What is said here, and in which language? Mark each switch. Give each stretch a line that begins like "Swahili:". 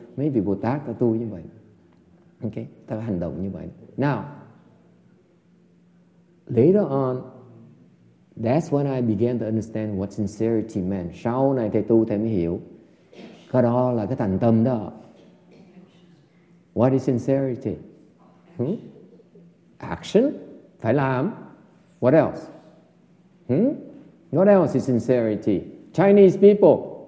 Vietnamese: Maybe Bồ Tát ta tu như vậy, okay, ta hành động như vậy.
English: Now, later on. That's when I began to understand what sincerity meant.
Vietnamese: Sau này thầy tu thầy mới hiểu. Cái đó là cái thành tâm đó.
English: What is sincerity? Action?
Vietnamese: Phải làm.
English: What else? What else is sincerity? Chinese people.